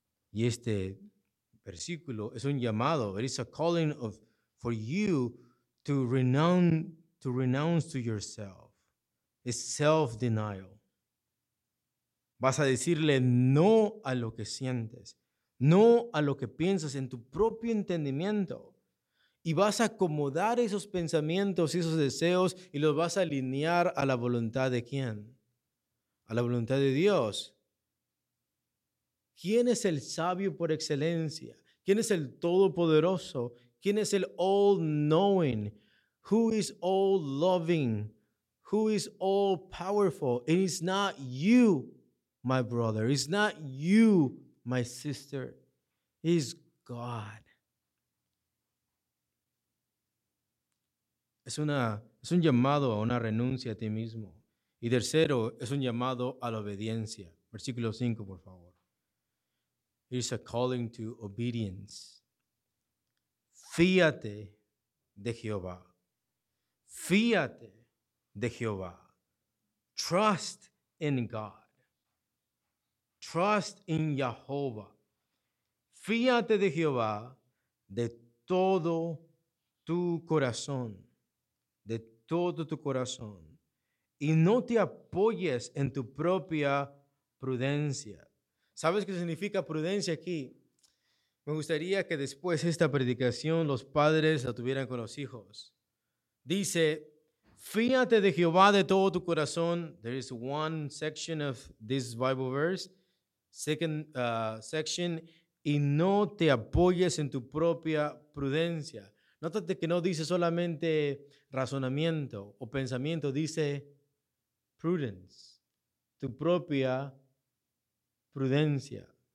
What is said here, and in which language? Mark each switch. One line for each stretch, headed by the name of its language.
Spanish: Y este versículo es un llamado.
English: It is a calling of for you to renounce to yourself. It's self-denial.
Spanish: Vas a decirle no a lo que sientes, no a lo que piensas en tu propio entendimiento. Y vas a acomodar esos pensamientos y esos deseos y los vas a alinear a la voluntad de ¿quién? A la voluntad de Dios. ¿Quién es el sabio por excelencia? ¿Quién es el todopoderoso? ¿Quién es el
English: all-knowing? Who is all-loving? Who is all-powerful? It is not you, my brother. It's not you, my sister. It's God.
Spanish: Es un llamado a una renuncia a ti mismo. Y tercero, es un llamado a la obediencia. Versículo 5, por favor.
English: It's a calling to obedience.
Spanish: Fíate de Jehová. Fíate de Jehová.
English: Trust in God. Trust in Jehovah.
Spanish: Fíate de Jehová de todo tu corazón. De todo tu corazón. Y no te apoyes en tu propia prudencia. ¿Sabes qué significa prudencia aquí? Me gustaría que después de esta predicación los padres la tuvieran con los hijos. Dice, fíate de Jehová de todo tu corazón.
English: There is one section of this Bible verse. Second section.
Spanish: Y no te apoyes en tu propia prudencia. Nótate que no dice solamente razonamiento o pensamiento. Dice prudence. Tu propia prudencia.